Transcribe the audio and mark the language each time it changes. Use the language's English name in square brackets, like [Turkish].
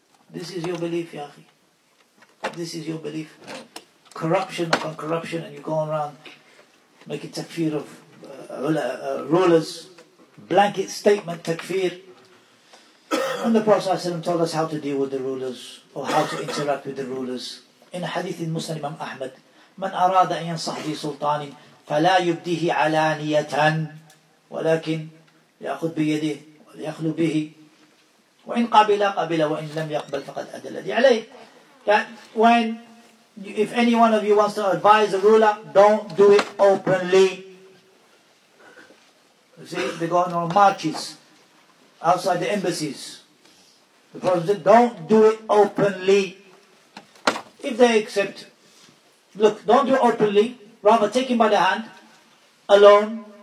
[English] This is your belief, ya akhi. This is your belief. Corruption upon corruption, and you're going around making takfir of rulers, blanket statement takfir. And the Prophet ﷺ told us how to deal with the rulers or how to interact with the rulers. In a hadith in Muslim, Imam Ahmad, [Arabic] من أراد أن ينصح بي سلطان فلا يبديه علانية ولكن يأخذ بيده وليخلو به وإن قبل قبل وإن لم يقبل فقد أدى الذي عليه. [English] That when, if any one of you wants to advise a ruler, don't do it openly. You see, they go on marches outside the embassies. The Prophet said, don't do it openly. If they accept, look, don't do it openly, rather take him by the hand, alone.